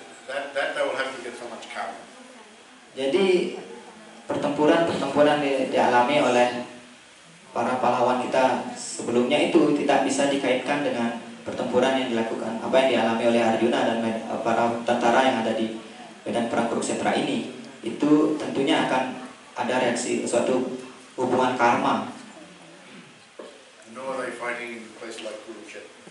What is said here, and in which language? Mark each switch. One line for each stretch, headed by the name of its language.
English: That they will have to get so much karma.
Indonesian: Jadi pertempuran dialami oleh para pahlawan kita sebelumnya itu tidak bisa dikaitkan dengan pertempuran yang dilakukan apa yang dialami oleh Arjuna dan para tentara yang ada di medan perang Kurukshetra ini. Itu tentunya akan ada reaksi suatu hubungan karma.
English: No, they fighting in a place like Kurukshetra.